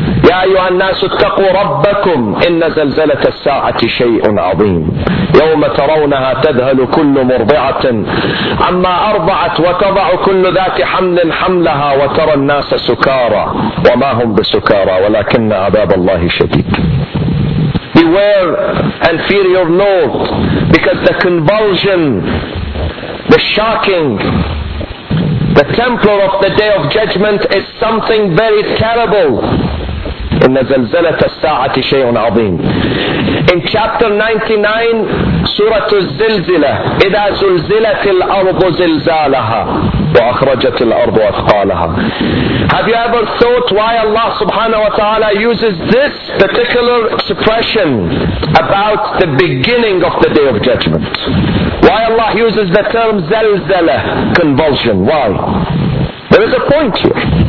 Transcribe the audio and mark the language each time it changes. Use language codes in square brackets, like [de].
[ar] يا أيها الناس اتقوا ربكم إن زلزلة الساعة شيء عظيم. يوم ترونها تذهل كل مرضعة عما أرضعت وتضع كل ذات حمل حملها وترى الناس سكارى وما هم بسكارى ولكن عذاب الله شديد. [en] Beware and fear your Lord, because the convulsion, the shocking, the temple of the day of judgment is something very terrible. [ar] إن زلزلة الساعة شيء عظيم. [en] In chapter 99, Surah [ar] الزلزلة, إذا زلزلت الأرض زلزالها وأخرجت الأرض أثقالها. [en] Have you ever thought why Allah subhanahu wa ta'ala uses this particular expression about the beginning of the day of judgment? Why Allah uses the term زلزلة, convulsion? Why? There is a point here.